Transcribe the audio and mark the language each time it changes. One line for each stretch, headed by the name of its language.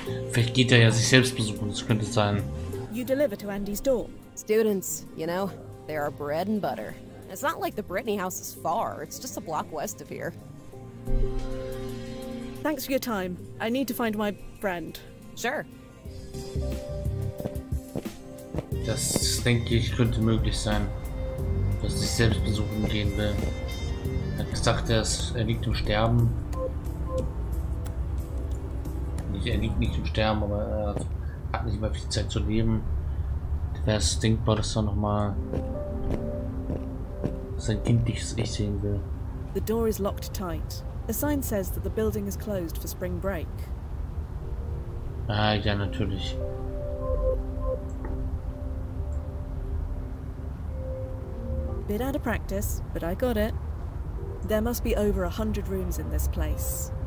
German: Vielleicht geht er ja sich selbst besuchen, das könnte sein.
English: You deliver to Andy's dorm. Students, you know, they are bread and butter. It's not like the Brittany house is far, it's just a block west of here. Thanks for your time. I need to find my friend. Sure.
German: Das, denke ich, könnte möglich sein, dass ich selbst besuchen gehen will. Er hat gesagt, er liegt im Sterben. Er liegt nicht im Sterben, aber er hat nicht mehr viel Zeit zu leben. Wäre es denkbar, dass er nochmal sein Kind nicht sehen will.
English: The door is locked tight. A sign says that the building is closed for spring break.
German: Ah, ja, natürlich.
English: Bit out of practice, but I got it. There must be over 100 rooms in this place.